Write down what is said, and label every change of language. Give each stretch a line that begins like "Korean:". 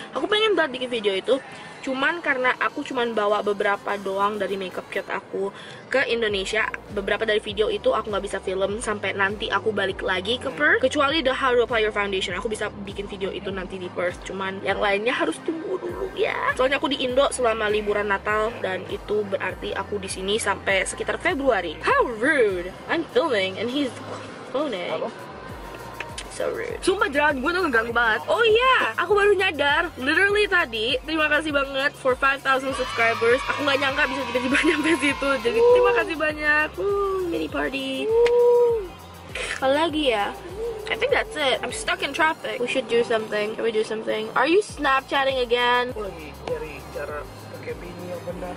Indonesian: Aku pengen banget bikin video itu, cuman karena aku cuman bawa beberapa doang dari makeup kit aku ke Indonesia, beberapa dari video itu aku nggak bisa film sampai nanti aku balik lagi ke Perth. Kecuali
English: the how to apply your foundation,
Indonesian: aku bisa bikin video itu nanti di Perth. Cuman yang lainnya harus tunggu dulu ya. Soalnya aku di Indo selama liburan Natal dan itu berarti aku di sini sampai sekitar Februari.
English: How rude! I'm filming and he's phoning. Sorry.
Indonesian: Sumpah jalan gue tuh ngeganggu banget. Oh iya, aku baru nyadar.
English: Literally
Indonesian: tadi, terima kasih banget
English: for 5,000 subscribers.
Indonesian: Aku gak nyangka bisa tiba-tiba nyampe situ. Jadi terima kasih banyak.
English: Mini party.
Indonesian: Kalau lagi ya,
English: I think that's it. I'm stuck in traffic. We should do something. Can we do something? Are you Snapchatting again?
Indonesian: Aku lagi nyari cara pakai bini yang benar.